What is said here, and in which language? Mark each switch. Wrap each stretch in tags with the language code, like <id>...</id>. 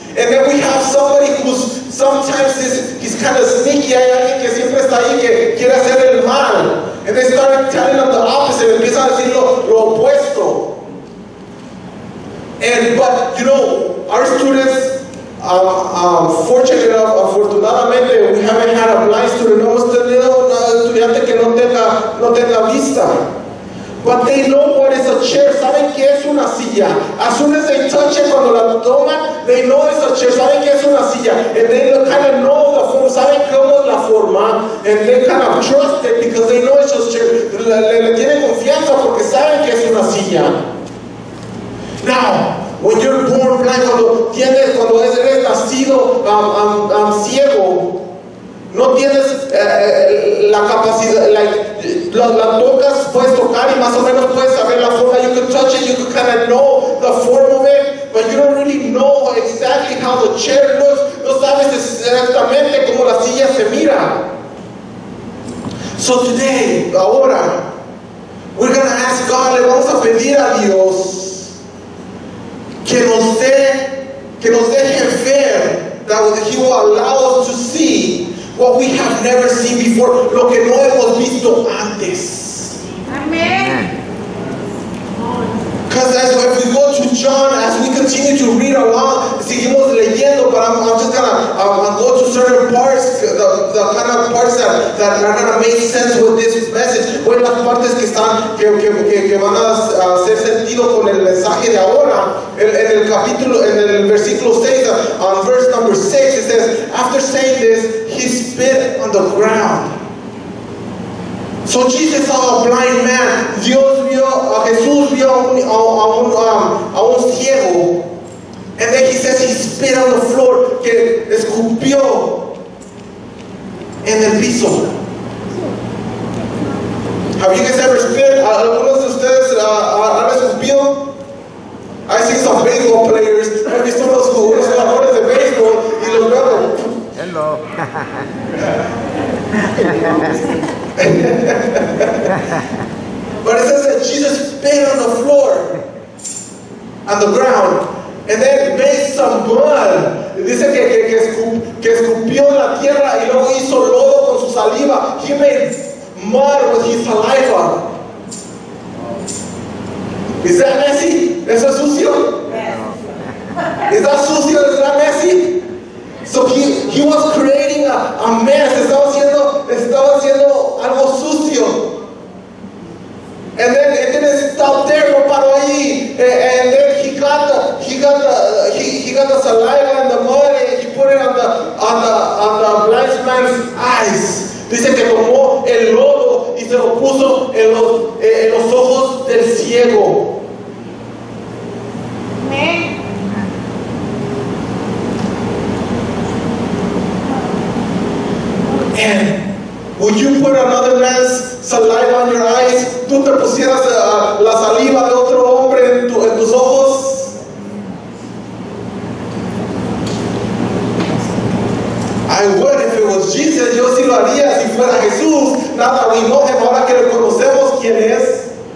<en>And then we have somebody who's sometimes he's kind of sneaky.</en> <es>Hay alguien que siempre está ahí que quiere hacer el mal.</es> <en>And they start telling them the opposite.</en> <es>Empiezan a decir lo opuesto.</es> <en>But you know, our students,</en> <es>afortunadamente,</es> <en>we haven't had a blind student.</en> <es>No hemos tenido un estudiante que no tenga vista.</es> <en>But they know what is a chair.</en> <es>Saben que es una silla.</es> <en>As soon as they touch it,</en> <es>cuando la toman,</es> <en>they know it's a chair.</en> <es>Saben que es una silla.</es> <en>And they kind of know the form.</en> <es>Saben cómo es la forma.</es> <en>And they kind of trust it because they know it's a chair.</en> <es>Le tienen confianza porque saben que es una silla.</es> <en>Now, when you're born blind,</en> <es>cuando eres nacido ciego, no tienes la capacidad, la tocas, puedes tocar y más o menos puedes saber la forma.</es> <en>You can touch it, you can kind of know the form of it, but you don't really know exactly how the chair looks.</en> <es>No sabes exactamente cómo la silla se mira.</es> <en>So today,</en> <es>ahora,</es> <en>we're going to ask God,</en> <es>le vamos a pedir a Dios que nos deje ver,</es> <en>that He will allow us to see what we have never seen before,</en> <es>lo que no hemos visto antes.</es> <en>Amen. Because as if we go to John, as we continue to read along,</en> <es>seguimos leyendo,</es> <en>but I'm just gonna go to certain parts, the kind of parts that are gonna make sense with this message.</en> <es>Bueno, las partes que van a hacer sentido con el mensaje de ahora. En el capítulo, en el versículo 6,</es> <en>on verse number 6, it says, after saying this, he spit on the ground. So Jesus saw a blind man.</en> <es>Dios vio, Jesús vio a un ciego.</es> <en>And then he says he spit on the floor,</en> <es>que escupió en el piso.</es> <en>Have you guys ever spit?</en> <es>¿Algunos de ustedes han escupido?</es> <en>I see some baseball players, I see some of those</en> <es>jugadores de baseball, y los veo. El</es> <en>Hello. But it says that Jesus spit on the floor, on the ground, and then made some blood.</en> <es>Dice que escupió la tierra y luego hizo lodo con su saliva.</es> <en>He made mud with his saliva. Is that messy?</en> <es>¿Eso es sucio?</es> <en>Yes. Is that</en> <es>sucio?</es> <en>Is that messy? So he was creating a mess.</en> <es>Estaba haciendo algo sucio.</es> <en>And then it didn't stop there.</en> <es>No paró ahí.</es> <en>And then he got the saliva and the mud and he put it on the blind man's eyes.</en> <es>Dice que tomó el lodo y se lo puso en los ojos del ciego.</es> <en>And would you put another man's saliva on your eyes?</en> <es>¿Tú te pusieras la saliva de otro hombre en tus ojos?</es> <en>I would if it was Jesus.</en> <es>Yo sí lo haría si fuera Jesús. Nada lo enojemos ahora que reconocemos quién es.</es>